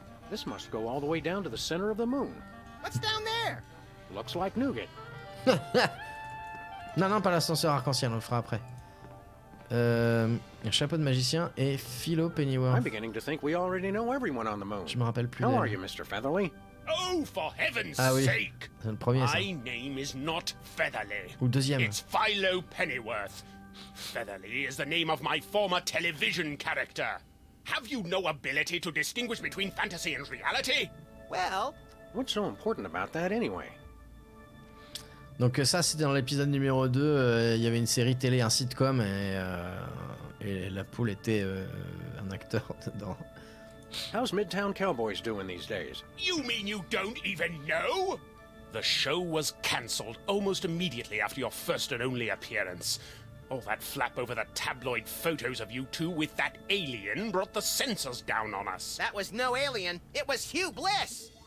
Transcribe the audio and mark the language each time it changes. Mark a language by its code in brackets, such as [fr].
[en] This must go all the way down to the center of the moon. What's down there? Looks like nougat. [fr] Non, non, pas l'ascenseur arc-en-ciel, on le fera après. Un chapeau de magicien et Philo Pennyworth. [en] I'm beginning to think we already know everyone on the moon. [fr] Je me rappelle plus. [en] How are you, Mr. Featherly? Oh, for heaven's sake! [fr] C'est le premier, ça. [en] My name is not Featherly. [fr] Ou le deuxième. [en] It's Philo Pennyworth. Featherly is the name of my former television character. Have you no ability to distinguish between fantasy and reality? Well, what's so important about that anyway? [fr] Donc ça, c'était dans l'épisode numéro 2, il y avait une série télé, un sitcom, et la poule était un acteur dedans. [en] How's Midtown Cowboys doing these days? You mean you don't even know? The show was cancelled almost immediately after your first and only appearance. All that flap over the tabloid photos of you two with that alien brought the censors down on us. That was no alien, it was Hugh Bliss!